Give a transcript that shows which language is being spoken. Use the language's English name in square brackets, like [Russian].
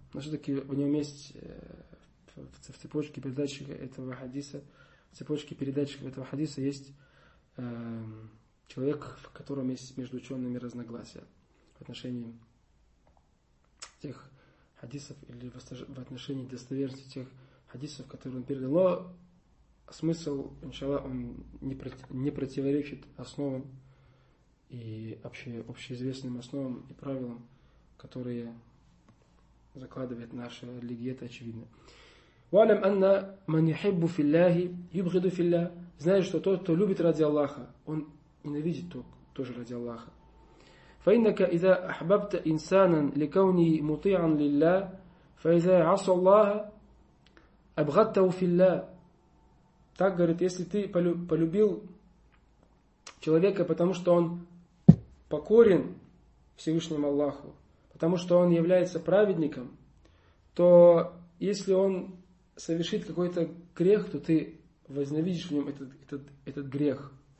[Russian] Но все-таки в нем есть в цепочке передатчик этого хадиса, в цепочке передатчиков этого хадиса есть человек, в котором есть между учеными разногласия в отношении тех хадисов или в отношении достоверности тех хадисов, которые он передал. Но смысл, иншаллах, он не противоречит основам и общеизвестным основам и правилам, которые закладывает наша религия, это очевидно. [Arabic] وَعَلَمْ أَنَّ مَنْ يَحِبُّ فِي اللَّهِ يُبْغِدُ فِي اللَّهِ. [Russian] Знаешь, что тот, кто любит ради Аллаха, он и ненавидит тоже ради Аллаха. [Arabic] فَإِنَّكَ إِذَا أَحْبَبْتَ إِنسَانًا لِكَوْنِهِ مُطِيعًا لِلَّهِ فَإِذَا عَصَى اللَّهَ أَبْغَضْتَهُ فِي اللَّهِ. [Russian] Так говорит, если ты полюбил человека, потому что он покорен Всевышнему Аллаху, потому что он является праведником, то если он совершит какой-то грех, то ты возненавидишь в нем этот грех.